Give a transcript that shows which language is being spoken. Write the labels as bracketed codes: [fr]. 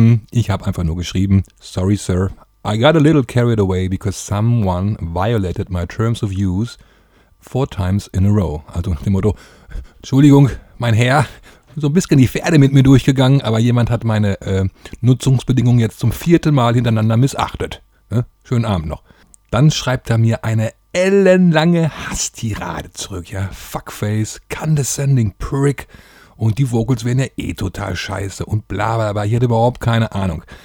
[de] ich habe einfach nur geschrieben, [en] sorry, sir. I got a little carried away because someone violated my terms of use 4 times in a row. [de] Also nach dem Motto, Entschuldigung, mein Herr, so ein bisschen die Pferde mit mir durchgegangen, aber jemand hat meine Nutzungsbedingungen jetzt zum 4. Mal hintereinander missachtet. Ne? Schönen Abend noch. Dann schreibt er mir eine ellenlange Hasstirade zurück. Ja, [en] Fuckface, condescending prick [de] und die Vocals wären ja eh total scheiße und bla bla bla. Ich hätte überhaupt keine Ahnung.